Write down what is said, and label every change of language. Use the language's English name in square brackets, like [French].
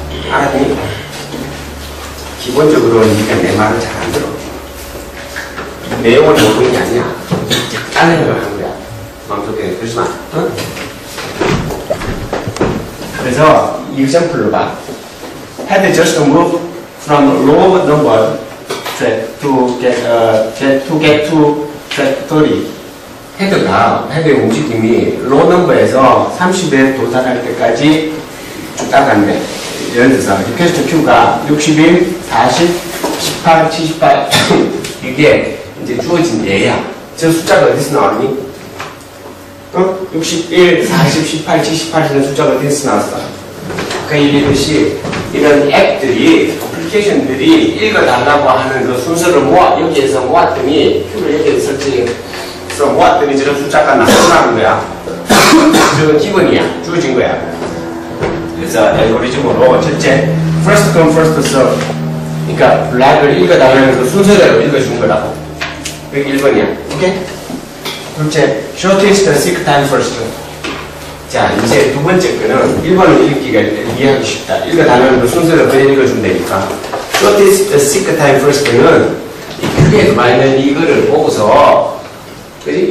[Korean] 알았니? 기본적으로 네가 내 말을 잘 안 들어. 내용을 모르는 게 아니야. 다른 걸 하는 거야. 마음속에 그러지 마. 응? 그래서 이 example로 봐. [English] Had just moved from low number to get to track 30. [Korean] 헤드가, 헤드의 움직임이 low number에서 30에 도달할 때까지 쭉 따라간대. 예를 들어서 request queue가 61, 40, 18, 78 이게 이제 주어진 얘야. 저 숫자가 어디서 나왔니? 어? 61, 40, 18, 78 이런 숫자가 어디서 나왔어? 아까 얘기했듯이 이런 앱들이, 애플리케이션들이 읽어달라고 하는 그 순서를 모아, 여기에서 모았더니 큐를 여기에 설치해서 모았더니 저런 숫자가 나타나는 거야. 저건 기본이야. 주어진 거야. 그래서 알고리즘으로 첫째, first come first serve. 그러니까 블락을 읽어달라는 그 순서대로 읽어준 거라고. 그게 1번이야. 오케이? 둘째, shortest seek time first. 자, 이제 두 번째 거는 1번을 읽기가 이해하기 쉽다. 읽어달라는 그 순서를 그냥 읽어준다니까. shortest seek time first는 이 크게 많은 이거를 보고서 그지?